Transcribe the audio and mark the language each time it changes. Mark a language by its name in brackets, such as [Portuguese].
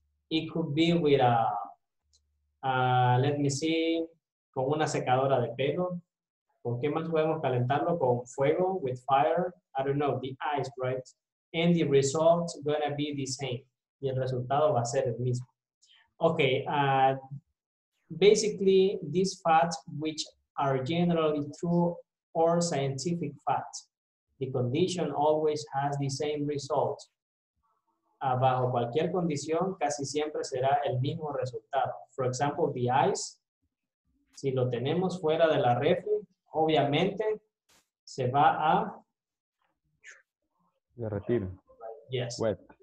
[English] It could be with a, let me see, [Spanish] con una secadora de pelo. ¿Con qué más podemos calentarlo? Con fuego, [English] with fire. I don't know, the ice, right? And the result's gonna be the same. [Spanish] Y el resultado va a ser el mismo. [English] Okay, basically, these facts, which are generally true or scientific facts, the condition always has the same result. [Spanish] Bajo cualquier condición, casi siempre será el mismo resultado. [English] For example, the ice, [Spanish] si lo tenemos fuera de la refri, obviamente se va a derretir. [English] Yes. Wet.